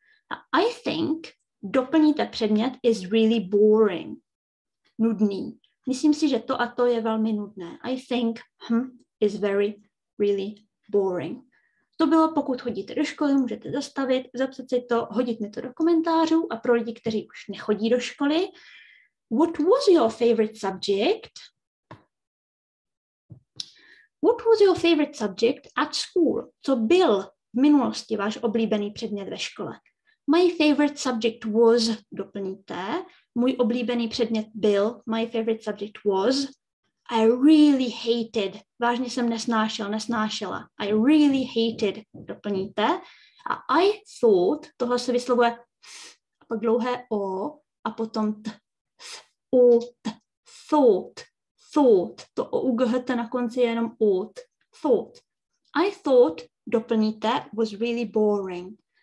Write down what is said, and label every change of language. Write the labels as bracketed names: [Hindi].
[English] A I think, [Czech] doplníte předmět, [English] is really boring, [Czech] nudný. Myslím si, že to a to je velmi nudné. [English] I think is very, really boring. [Czech] To bylo, pokud chodíte do školy, můžete zastavit, zapsat si to, hodit mi to do komentářů a pro lidi, kteří už nechodí do školy. [English] What was your favorite subject? What was your favorite subject at school? [Czech] Co byl v minulosti váš oblíbený předmět ve škole? [English] My favorite subject was, [Czech] doplníte, můj oblíbený předmět byl, [English] my favorite subject was, I really hated, [Czech] vážně jsem nesnášela, I really hated, doplníte, a [English] I thought, [Czech] tohle se vyslovuje a pak dlouhé o, a potom thought, to o u ghete na konci je jenom ot, [English] thought, I thought, [Czech] doplníte, [English] was really boring.